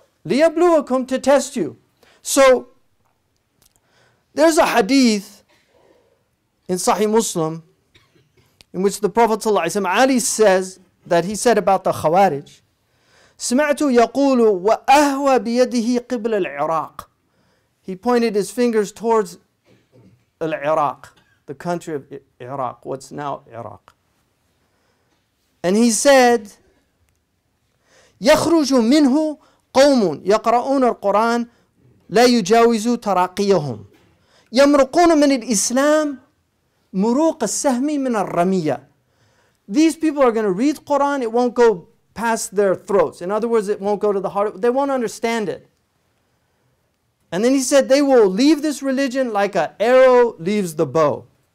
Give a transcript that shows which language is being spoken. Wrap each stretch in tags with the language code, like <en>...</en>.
<ar>لِيَبْلُوَكُمْ,</ar> <en>to test you. So, there's a hadith in Sahih Muslim in which the Prophet ﷺ, Ali says that he said about the Khawarij,</en> <ar>سمعت يقول وأهوى بيده قبل العراق.</ar> <en>He pointed his fingers towards Iraq, the country of Iraq, what's now Iraq. And he said,</en> <ar>يخرج منه قوم يقرؤون القرآن لا يجاوز تراقيهم يمرقون من الإسلام مروق السهم من الرمية.</ar> <en>These people are going to read Quran, it won't go past their throats. In other words, it won't go to the heart. They won't understand it. And then he said, they will leave this religion like an arrow leaves the bow.</en>